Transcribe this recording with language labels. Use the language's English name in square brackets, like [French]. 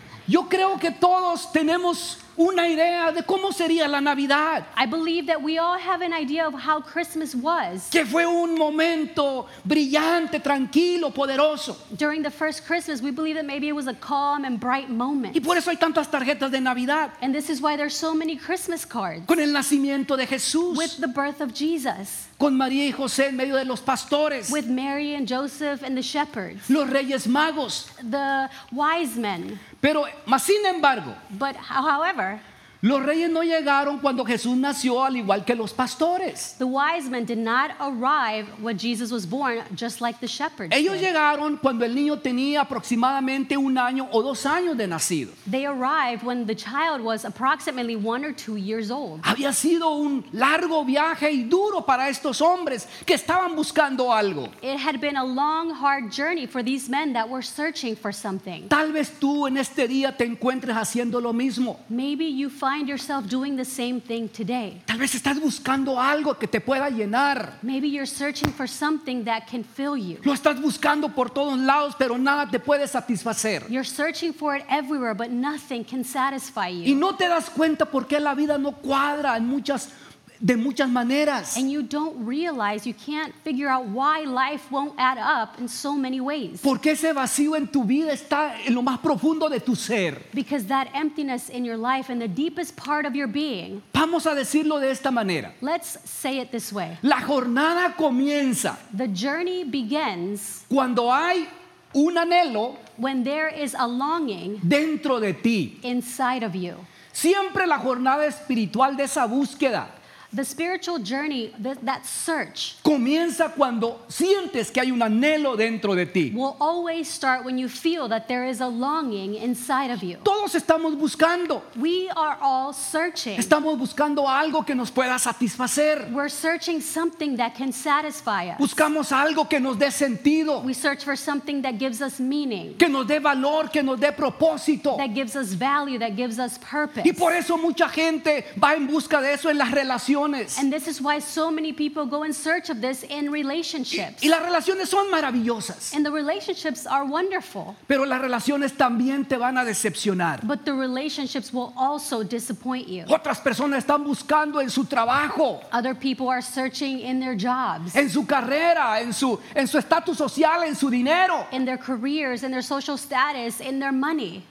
[Spanish] Yo creo que todos tenemos una idea de cómo sería la Navidad. [English] I believe that we all have an idea of how Christmas was. [Spanish] Que fue un momento brillante, tranquilo, poderoso. [English] During the first Christmas, we believe that maybe it was a calm and bright moment. [Spanish] Y por eso hay tantas tarjetas de Navidad. [English] And this is why there's so many Christmas cards. [Spanish] Con el nacimiento de Jesús. [English] With the birth of Jesus. [Spanish] Con María y José en medio de los pastores. [English] With Mary and Joseph and the shepherds. [Spanish] Los reyes magos. [English] The wise men. [Spanish] Pero, mas sin embargo, [English] but however, [Spanish] los reyes no llegaron cuando Jesús nació, al igual que los pastores. [English] The wise men did not arrive when Jesus was born, just like the shepherds. [Spanish] Ellos [English] did. [Spanish] Llegaron cuando el niño tenía aproximadamente un año o dos años de nacido. [English] They arrived when the child was approximately 1 or 2 years old. [Spanish] Había sido un largo viaje y duro para estos hombres que estaban buscando algo. [English] It had been a long, hard journey for these men that were searching for something. [Spanish] Tal vez tú en este día te encuentres haciendo lo mismo. [English] Maybe you find yourself doing the same thing today. [Spanish] Tal vez estás buscando algo que te pueda llenar. [English] Maybe you're searching for something that can fill you. [Spanish] Lo estás buscando por todos lados, pero nada te puede satisfacer. [English] You're searching for it everywhere, but nothing can satisfy you. [Spanish] Y no te das cuenta por qué la vida no cuadra en muchas de muchas maneras. [English] And you don't realize, you can't figure out why life won't add up in so many ways. [Spanish] Porque ese vacío en tu vida está en lo más profundo de tu ser. [English] Because that emptiness in your life and the deepest part of your being. [Spanish] Vamos a decirlo de esta manera. [English] Let's say it this way. [Spanish] La jornada comienza. [English] The journey begins. [Spanish] Cuando hay un anhelo. [English] When there is a longing. [Spanish] Dentro de ti. [English] Inside of you. [Spanish] Siempre la jornada espiritual de esa búsqueda. [English] The spiritual journey, that search, [Spanish] comienza cuando sientes que hay un anhelo dentro de ti. [English] Will always start when you feel that there is a longing inside of you. [Spanish] Todos estamos buscando. [English] We are all searching. [Spanish] Estamos buscando algo que nos pueda satisfacer. [English] We're searching something that can satisfy us. [Spanish] Buscamos algo que nos dé sentido. [English] We search for something that gives us meaning. [Spanish] Que nos dé valor, que nos dé propósito. [English] That gives us value, that gives us purpose. [Spanish] Y por eso mucha gente va en busca de eso en las relaciones. relaciones. [English] And this is why so many people go in search of this in relationships. [Spanish] Y las relaciones son maravillosas. [English] And the relationships are wonderful. [Spanish] Pero las relaciones también te van a decepcionar. [English] But the relationships will also disappoint you. [Spanish] Otras personas están buscando en su trabajo. [English] Other people are searching in their jobs. [Spanish] En su carrera, en su estatus social, en su dinero. [English] In their careers, in their social status, in their money.